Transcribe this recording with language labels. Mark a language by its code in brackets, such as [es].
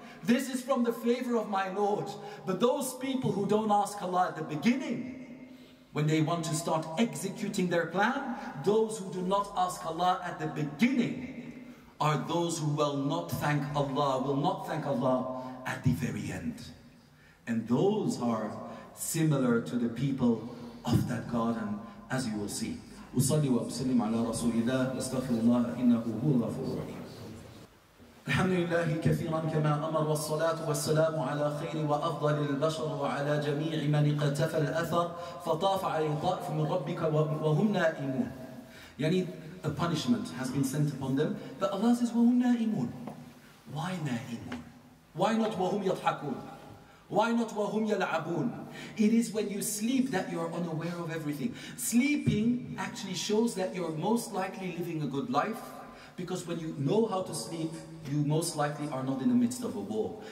[en] This is from the favor of my Lord. But those people who don't ask Allah at the beginning, when they want to start executing their plan, those who do not ask Allah at the beginning are those who will not thank Allah, will not thank Allah at the very end. And those are similar to the people of that garden, as you will see. [ar] وصلي وسلم على رسول الله استغفر الله إنه هو الغفور الرحيم. الحمد لله كثيرا كما أمر والصلاة والسلام على خير وأفضل البشر وعلى جميع من اقتفى الأثر فطاف عليه طائف من ربك وهم نائمون. [en] يعني a punishment has been sent upon them. But Allah says, [ar] وَهُمْ نَائِمُونَ. [en] Why نَائِمُونَ? Why not [ar] وَهُمْ يَضْحَكُونَ? [en] Why not [ar] وَهُمْ يَلْعَبُونَ? [en] It is when you sleep that you are unaware of everything. Sleeping actually shows that you're most likely living a good life, because when you know how to sleep, you most likely are not in the midst of a war.